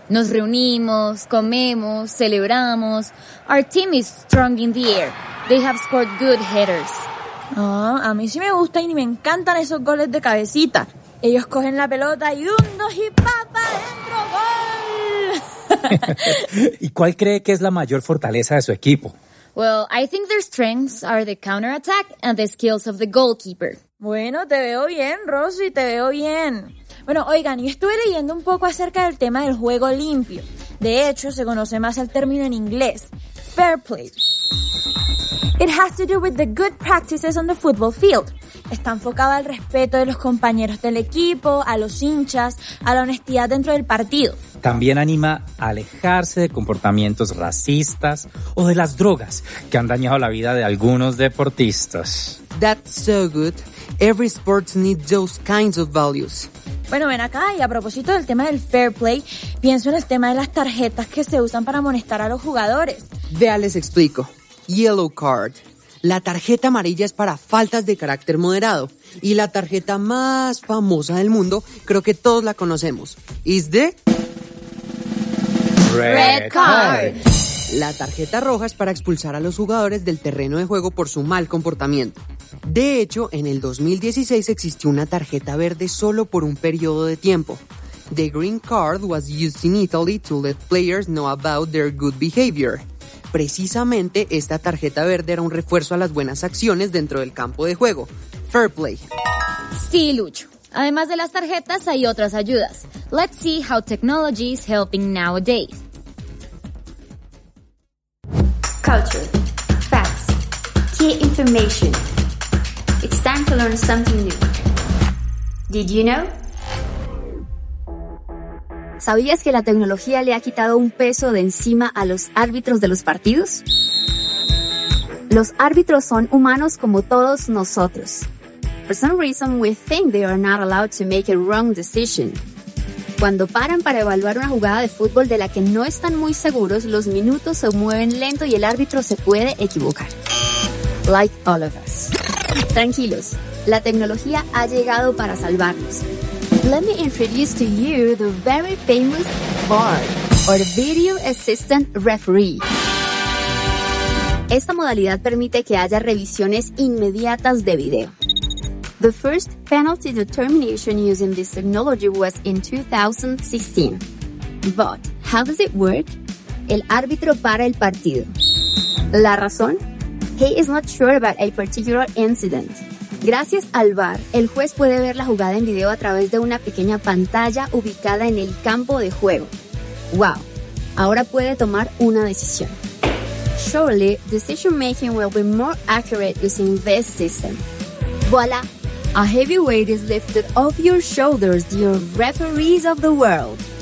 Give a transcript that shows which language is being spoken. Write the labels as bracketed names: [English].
[Spanish] Nos reunimos, comemos, celebramos. [English] Our team is strong in the air. They have scored good headers. [Spanish] Oh, a mí sí me gusta y me encantan esos goles de cabecita. Ellos cogen la pelota y ¡un, dos y papa! ¡Dentro, gol! ¿Y cuál cree que es la mayor fortaleza de su equipo? [English] Well, I think their strengths are the counterattack and the skills of the goalkeeper. [Spanish] Bueno, te veo bien, Rosy, te veo bien. Bueno, oigan, yo estuve leyendo un poco acerca del tema del juego limpio. De hecho, se conoce más el término en inglés, fair play. It has to do with the good practices on the football field. Está enfocado al respeto de los compañeros del equipo, a los hinchas, a la honestidad dentro del partido. También anima a alejarse de comportamientos racistas o de las drogas que han dañado la vida de algunos deportistas. [English] That's so good. Every sport needs those kinds of values. [Spanish] Bueno, ven acá, y a propósito del tema del fair play, pienso en el tema de las tarjetas que se usan para amonestar a los jugadores. Vea, les explico. [English] Yellow card. [Spanish] La tarjeta amarilla es para faltas de carácter moderado. Y la tarjeta más famosa del mundo, creo que todos la conocemos. [English] Is the... red card. [Spanish] La tarjeta roja es para expulsar a los jugadores del terreno de juego por su mal comportamiento. De hecho, en el 2016 existió una tarjeta verde solo por un periodo de tiempo. [English] The green card was used in Italy to let players know about their good behavior. [Spanish] Precisamente, esta tarjeta verde era un refuerzo a las buenas acciones dentro del campo de juego. [English] Fair play. [Spanish] Sí, Lucho. Además de las tarjetas, hay otras ayudas. [English] Let's see how technology is helping nowadays. Culture. Facts. Key information. It's time to learn something new. Did you know? [Spanish] ¿Sabías que la tecnología le ha quitado un peso de encima a los árbitros de los partidos? Los árbitros son humanos como todos nosotros. [English] For some reason, we think they are not allowed to make a wrong decision. [Spanish] Cuando paran para evaluar una jugada de fútbol de la que no están muy seguros, los minutos se mueven lento y el árbitro se puede equivocar. [English] Like all of us. [Spanish] Tranquilos, la tecnología ha llegado para salvarnos. [English] Let me introduce to you the very famous VAR, or Video Assistant Referee. [Spanish] Esta modalidad permite que haya revisiones inmediatas de video. [English] The first penalty determination using this technology was in 2016. But how does it work? [Spanish] El árbitro para el partido. La razón? [English] He is not sure about a particular incident. [Spanish] Gracias al VAR, el juez puede ver la jugada en video a través de una pequeña pantalla ubicada en el campo de juego. Wow, ahora puede tomar una decisión. [English] Surely, decision making will be more accurate using this system. Voila! A heavy weight is lifted off your shoulders, dear referees of the world.